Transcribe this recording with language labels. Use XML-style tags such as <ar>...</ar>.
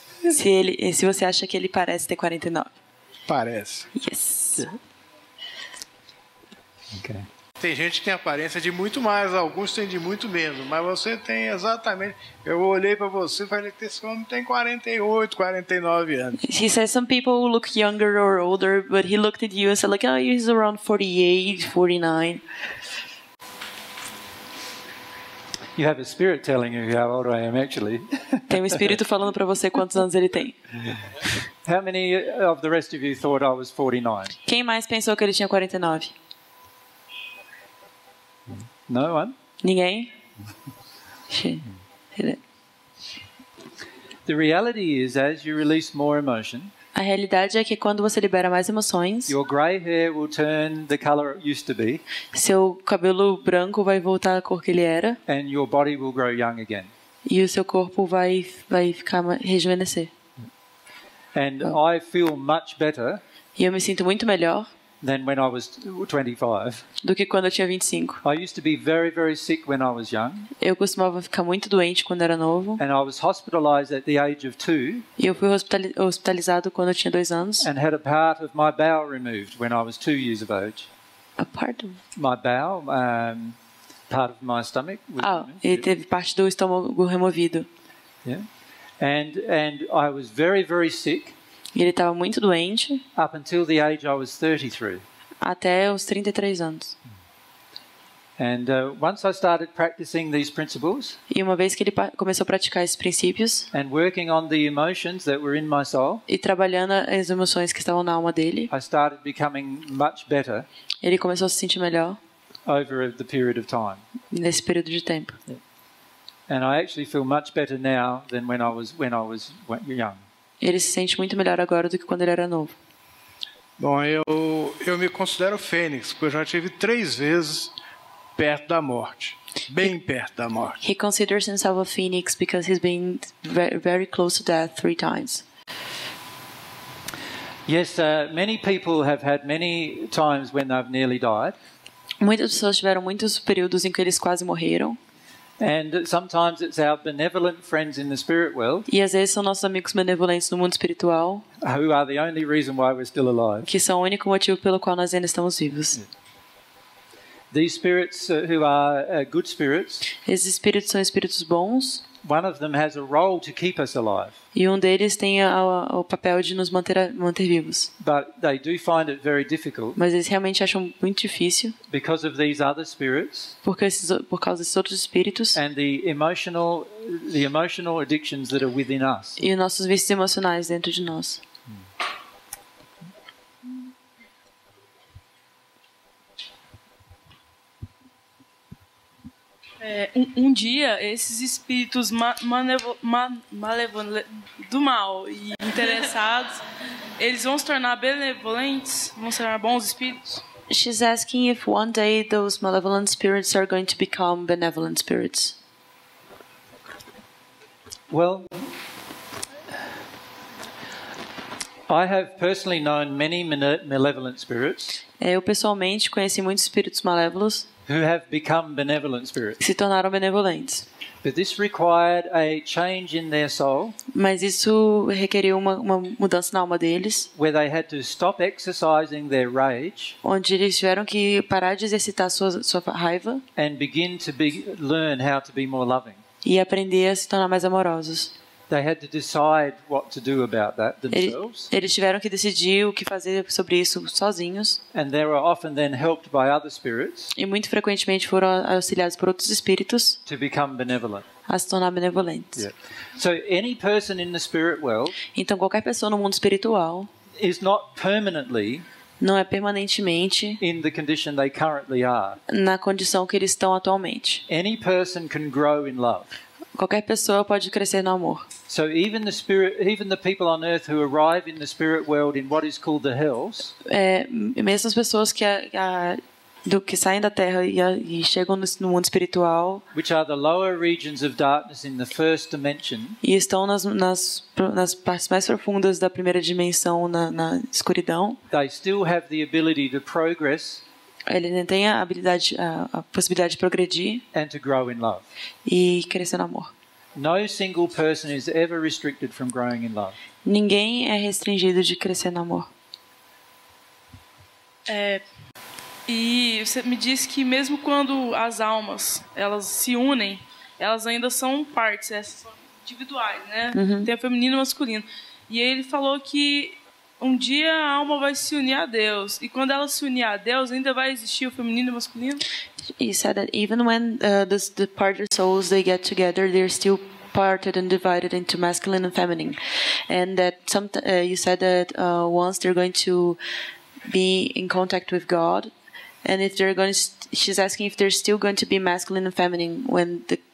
<pt>Se você acha que ele parece ter 49. Parece.</pt> <en>Yes. Okay.</en> <pt>Tem gente que tem aparência de muito mais, alguns têm de muito menos, mas você tem exatamente. Eu olhei para você e falei que esse homem tem 48, 49 anos.</pt> <en>He says some people look younger or older, but he looked at you and said, like, oh, he's around 48, 49. You have a spirit telling you how old I am, actually.</en> <pt>Tem um espírito falando para você quantos anos ele tem.</pt> <en>How many of the rest of you thought I was 49?</en> <pt>Quem mais pensou que ele tinha 49?</pt> <en>No one?</en> <pt>Ninguém?</pt> <en>The reality is, as you release more emotion,</en> <pt>a realidade é que quando você libera mais emoções,</pt> <en>your gray hair will turn the color it used to be,</en> <pt>seu cabelo branco vai voltar à cor que ele era,</pt> <en>and your body will grow young again.</en> <pt>E o seu corpo vai ficar rejuvenescer.</pt> <en>And I feel much better.</en> <pt>E eu me sinto muito melhor.</pt> <en>Than when I was 25.</en> <pt>Do que quando eu tinha 25.</pt> <en>I used to be very, very sick when I was young.</en> <pt>Eu costumava ficar muito doente quando era novo.</pt> <en>And I was hospitalized at the age of 2.</en> <pt>E eu fui hospitalizado quando eu tinha 2 anos.</pt> <en>And had a part of my bowel removed when I was 2 years of age. A part of my bowel, part of my stomach.</en> <pt>Ah, ele teve parte do estômago removido.</pt> <en>Yeah. And I was very, very sick.</en> <pt>Ele estava muito doente.</pt> <en>Up until the age I was 33.</en> <pt>Até os 33 anos.</pt> <en>And once I started practicing these principles.</en> <pt>E uma vez que ele começou a praticar esses princípios.</pt> <en>And working on the emotions that were in my soul.</en> <pt>E trabalhando as emoções que estavam na alma dele.</pt> <en>I started becoming much better.</en> <pt>Ele começou a se sentir melhor.</pt> <en>Over the period of time.</en> <pt>Nesse período de tempo.</pt> <en>And I actually feel much better now than when I was young.</en> <pt>Ele se sente muito melhor agora do que quando ele era novo. Bom, eu me considero fênix, porque eu já tive 3 vezes perto da morte, bem perto da morte.</pt> <en>He considers himself a phoenix because he's been very close to death 3 times. Yes, many people have had many times when they've nearly died.</en> <pt>Muitas pessoas tiveram muitos períodos em que eles quase morreram.</pt> <en>And sometimes it's our benevolent friends in the spirit world.</en> <pt>E às vezes são nossos amigos benevolentes no mundo espiritual.</pt> <en>Who are the only reason why we're still alive.</en> <pt>Que são o único motivo pelo qual nós ainda estamos vivos.</pt> <en>These spirits who are good spirits.</en> <pt>Esses espíritos são espíritos bons.</pt> <en>One of them has a role to keep us alive.</en> <pt>E um deles tem o papel de nos manter vivos.</pt> <en>But they do find it very difficult.</en> <pt>Mas eles realmente acham muito difícil.</pt> <en>Because of these other spirits.</en> <pt>Por causa desses outros espíritos.</pt> <en>And the emotional addictions that are within us.</en> <pt>E os nossos vícios emocionais dentro de nós. Um dia, esses espíritos do mal e interessados, eles vão se tornar benevolentes? Vão ser bons espíritos?</pt> <en>She's asking if one day those malevolent spirits are going to become benevolent spirits. Well, I have personally known many malevolent spirits.</en> <pt>Eu pessoalmente conheci muitos espíritos malévolos.</pt> <en>Who have become benevolent spirits.</en> <pt>Se tornaram benevolentes.</pt> <en>But this required a change in their soul.</en> <pt>Mas isso requeriu uma mudança na alma deles.</pt> <en>Where they had to stop exercising their rage.</en> <pt>Onde eles tiveram que parar de exercitar sua raiva.</pt> <en>And begin to learn how to be more loving.</en> <pt>E aprender a se tornar mais amorosos.</pt> <en>They had to decide what to do about that themselves.</en> <pt>Eles tiveram que decidir o que fazer sobre isso sozinhos.</pt> <en>And they were often then helped by other spirits.</en> <pt>E muito frequentemente foram auxiliados por outros espíritos.</pt> <en>To become benevolent.</en> <pt>A se tornar benevolentes.</pt> <en>Yeah. So any person in the spirit world.</en> <pt>Então qualquer pessoa no mundo espiritual.</pt> <en>Is not permanently.</en> <pt>Não é permanentemente.</pt> <en>In the condition they currently are.</en> <pt>Na condição que eles estão atualmente.</pt> <en>Any person can grow in love.</en> <pt>Qualquer pessoa pode crescer no amor.</pt> <en>So even the spirit, even the people on earth who arrive in the spirit world in what is called the hells.</en> <pt>Mesmo as pessoas que saem da Terra e chegam no mundo espiritual.</pt> <en>Which are the lower regions of darkness in the first dimension.</en> <pt>E estão nas partes mais profundas da primeira dimensão na escuridão.</pt> <en>They still have the ability to progress.</en> <pt>Ele tem a possibilidade de progredir</pt> <en>and to grow in love.</en> <pt>E crescer no amor.</pt> <en>No single person is ever restricted from growing in love.</en> <pt>Ninguém é restringido de crescer no amor. E você me disse que mesmo quando as almas elas se unem, elas ainda são partes, elas são individuais, né? Uhum. Tem o feminino e o masculino. E ele falou que um dia a alma vai se unir a Deus. E quando ela se unir a Deus, ainda vai existir o feminino e o masculino?</pt> <en>He said that even when the parted souls they get together, they're still parted and divided into masculine and feminine. And that you said that once they're going to be in contact with God, and if they're going to, she's asking if they're still going to be masculine and feminine when the</en>